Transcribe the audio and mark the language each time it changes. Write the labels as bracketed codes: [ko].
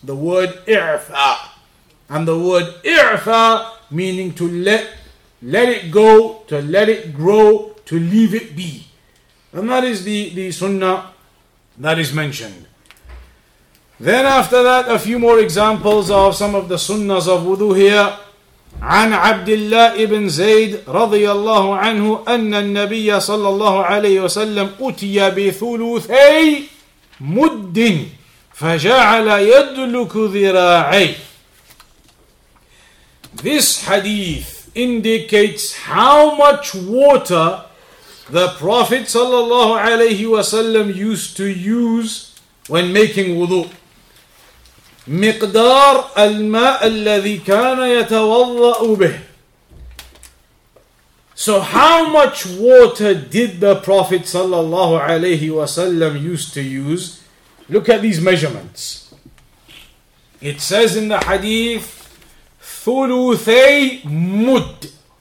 [en] The word i'fa. And the word i'fa meaning to let it go, to let it grow, to leave it be. And that is the sunnah that is mentioned. Then after that, a few more examples of some of the sunnahs of wudu here. [ar] عن عبد الله بن زيد رضي الله عنه أن النبي صلى الله عليه وسلم أتي بثلثي مد فجعل يدلك ذراعي. [en] This hadith indicates how much water the Prophet صلى الله عليه وسلم used to use when making wudu. [ar] مقدار الماء الذي كان يتوضأ به. [en] So how much water did the Prophet sallallahu alayhi wasallam used to use? Look at these measurements. It says in the hadith, [ar] ثلثي مد.